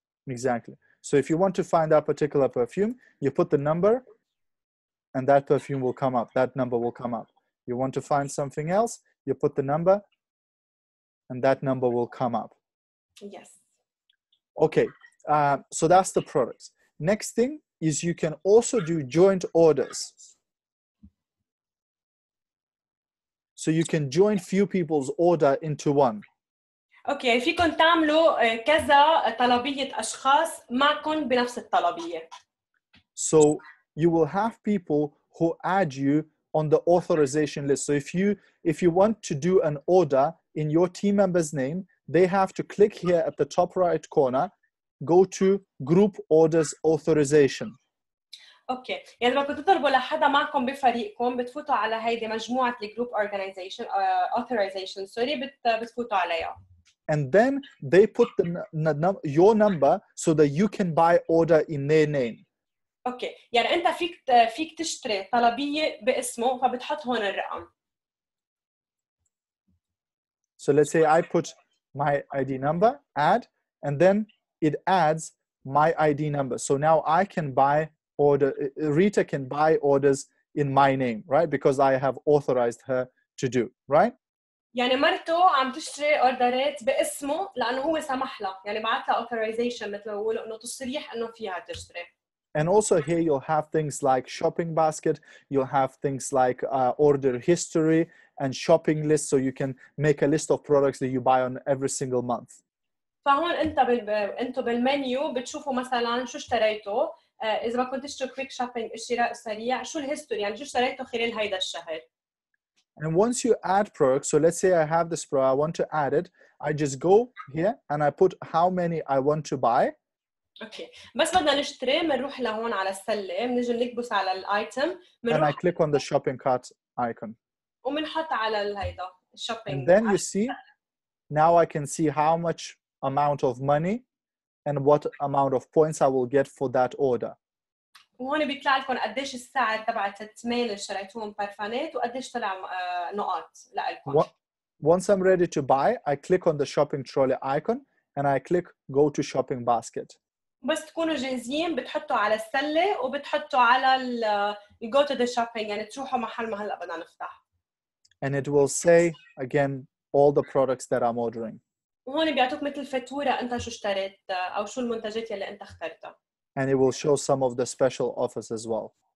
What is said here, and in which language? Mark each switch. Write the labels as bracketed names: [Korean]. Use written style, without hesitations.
[English] Exactly. So if you want to find that particular perfume, you put the number and that perfume will come up. That number will come up. You want to find something else, you put the number and that number will come up. Yes. Okay. So that's the products. Next thing is you can also do joint orders. So you can join few people's order into one. [Arabic] Okay, فيكن تعملوا كذا طلبية أشخاص معكن بنفس الطلبية. [English] So you will have people who add you on the authorization list. So if you want to do an order in your team member's name, they have to click here at the top right corner, go to group orders authorization. [Arabic] اوكي يعني لما كنتوا تطلبوا لحدا معكم بفريقكم بتفوتوا على هيدي مجموعه الجروب اورجانيزيشن اوثورايزيشن سوري بتفوتوا عليها [English] and then they put the your number so that you can buy order in their name. [Arabic] اوكي يعني انت فيك تشتري طلبيه باسمه فبتحط هون الرقم. [English] So let's say I put my ID number add and then it adds my ID number. So now I can buy order, Rita can buy orders in my name, right? Because I have authorized her to do, right? [Arabic] يعني مرتو عم تشتري اوردرات باسمه لانه هو سمح لها يعني بعت لها authorization مثل ما بقولوا انه تصريح انه فيها تشتري. [English] And also here you'll have things like shopping basket, you'll have things like order history and shopping list, so you can make a list of products that you buy on every single month. [Arabic] فهون انت انتو بالمنيو بتشوفوا مثلا شو اشتريتوا اذا ما كنت اشتري كويك شوبينج الشراء السريع شو الهيستوري يعني شو اشتريتوا خلال هيدا الشهر. [English] And once you add products, so let's say I have this product, I want to add it, I just go here and I put how many I want to buy. Okay. [Arabic] بس بدنا نشتري بنروح لهون على السلة بنيجي نكبس على الايتم [English] and I click on the shopping cart icon. [Arabic] وبنحط على هيدا الشوبينج. [English] And then you see now I can see how much amount of money and what amount of points I will get for that order. [Arabic] وهون بيطلع لكم قديش السعر تبع التمن اللي شريتوهم بارفانات وقديش طلع نقاط لكم. [English] Once I'm ready to buy, I click on the shopping trolley icon and I click go to shopping basket. [Arabic] بس تكونوا جاهزين بتحطوا على السلة وبتحطوا على ال [English] go to the shopping [Arabic] يعني تروحوا محل ما هلا بدنا نفتح. [English] And it will say again all the products that I'm ordering. [Arabic] وهون بيعطوك مثل فاتورة انت شو اشتريت او شو المنتجات يلي انت اخترتها. [English] And it will show some of the special offers as well.